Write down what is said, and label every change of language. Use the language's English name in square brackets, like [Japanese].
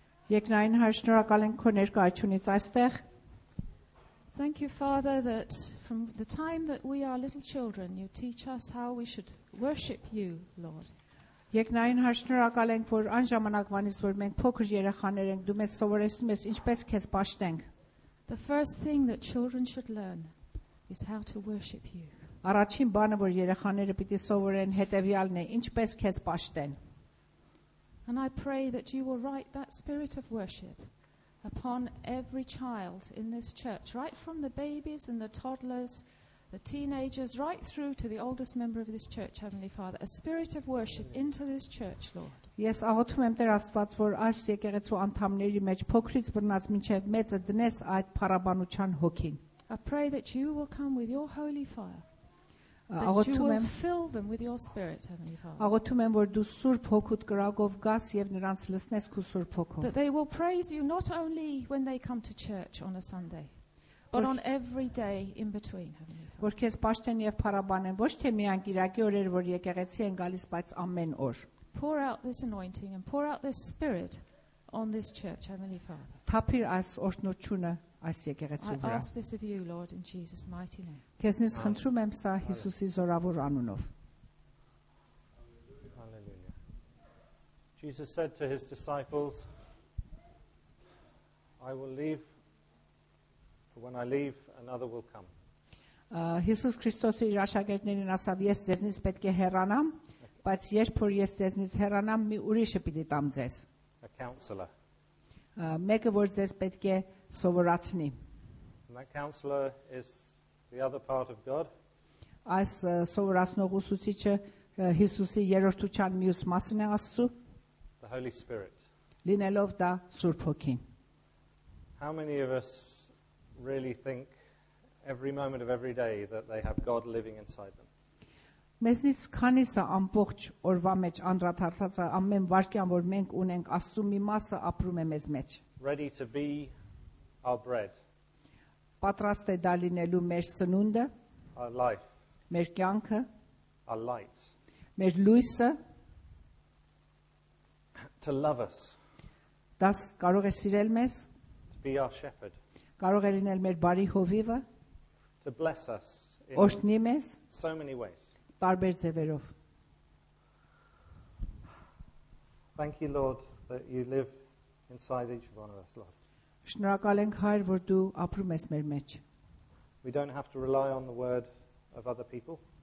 [Armenian] Եկնային հաշնորակալ ենք քո ներկայությունից այստեղ. [English] Thank you Father that from the time that we are little children you teach us how we should worship you Lord. [Armenian] Եկնային հաշնորակալ ենք որ այն ժամանակվանից որ մենք փոքր երեխաներ ենք դու մեզ սովորեցնում ես ինչպես քեզ պաշտենք. [English] The first thing that children should learn is how to worship you. [Armenian] Առաջին բանը որ երեխաները պիտի սովորեն հետևյալն է ինչպես քեզ պաշտեն. [English] And I pray that you will write that spirit of worship upon every child in this church, right from the babies and the toddlers, the teenagers, right through to the oldest member of this church, Heavenly Father. A spirit of worship into this church, Lord. [Armenian] Ես աղոթում եմ Տեր Աստված, որ այս եկեղեցու անդամների մեջ փոքրից բռնած մինչև մեծը դնես այդ փառաբանության հոգին. [English] I pray that you will come with your holy fire. That you will fill them with your spirit, Heavenly Father. [Armenian] Աղոթում եմ, որ դու Սուրբ Հոգուդ կրակով գաս եւ նրանց լսնես քո Սուրբ Հոգով. [English] That they will praise you not only when they come to church on a Sunday, but on every day in between, Heavenly Father. [Armenian] Որ քեզ պաշտեն եւ փառաբանեն ոչ թե միայն կիրակի օրեր, որ եկեղեցի են գալիս, բայց ամեն օր. [English] Pour out this anointing and pour out this spirit on this church, Heavenly Father. [Armenian] Թափիր այս օրհնությունը այս եկեղեցու վրա. [English] I ask this of you, Lord, in Jesus' mighty name. [Armenian] Քեսնից խնդրում եմ սա Հիսուսի զորավոր անունով. [English] Hallelujah. Jesus said to his disciples, I will leave, for when I leave, another will come. [Armenian] Հիսուս Քրիստոսը իր աշակերտներին ասավ, ես ձեզնից պետք է հեռանամ, բայց երբ որ ես ձեզնից հեռանամ, մի ուրիշը պիտի տամ ձեզ. [English] A counselor. [Armenian] Մեկը, որ ձեզ պետք է սովորացնի. [English] That counselor is the other part of God. [Armenian] Այս սովորածնող ուսուցիչը Հիսուսի երրորդության մյուս մասն է Աստծո. [English] The Holy Spirit. [Armenian] Լինելով դա Սուրբ Հոգին. [English] How many of us really think every moment of every day that they have God living inside them? [Armenian] Մեզնից քանիսը ամբողջ օրվա մեջ անդրադարձած ամեն վարքյան որ մենք ունենք Աստծո մի մասը ապրում է մեզ մեջ. [English] Ready to be our bread. [Armenian] Պատրաստ է դա լինելու մեր սնունդը, [English] our life, [Armenian] մեր կյանքը, [English] our light, [Armenian] մեր լույսը, [English] to love us, [Armenian] դաս կարող է սիրել մեզ, [English] to be our shepherd, [Armenian] կարող է լինել մեր բարի հովիվը, [English] to bless us, [Armenian] օրհնի մեզ, [English] so many ways, [Armenian] տարբեր ձևերով. [English] Thank you, Lord, that you live inside each one of us, Lord. [Armenian] Շնորհակալ ենք Հայր, որ դու ապրում ես մեր մեջ։ [English] We don't have to rely on the word of other people.